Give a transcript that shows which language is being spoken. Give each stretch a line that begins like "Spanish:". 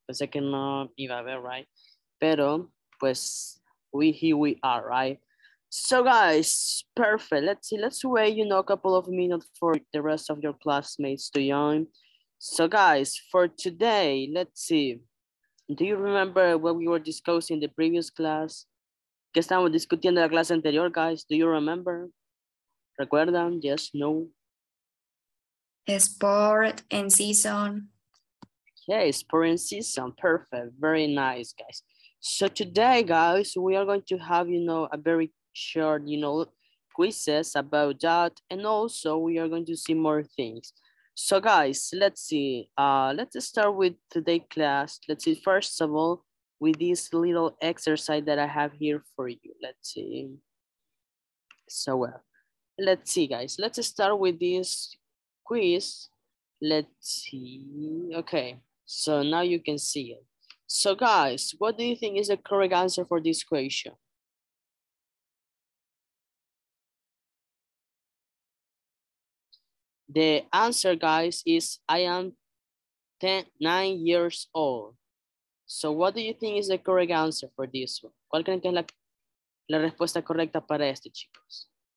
Spanish: Pensé que no iba a haber, right? Pero, pues, here we are, right?
English: So guys, perfect. Let's see, let's wait, you know, a couple of minutes for the rest of your classmates to join. So guys, for today, let's see. Do you remember what we were discussing in the previous class?
Spanish: ¿Qué estábamos discutiendo en la clase anterior, guys?
English: Do you remember? ¿Recuerdan? Yes, no. Sport and season. Okay, sport and season. Perfect. Very nice, guys. So today, guys, we are going to have, you know, a very short, you know, quizzes about that. And also, we are going to see more things. So, guys, let's see. Let's start with today's class. Let's see, first of all, with this little exercise that I have here for you. Let's see. So, well, let's see, guys. Let's start with this quiz. Let's see. Okay, so now you can see it. So guys, what do you think is the correct answer for this question? The answer, guys, is I am 9 years old. So what do you think is the correct answer for this one?
Spanish: ¿Cuál creen que es la respuesta correcta para este, chicos?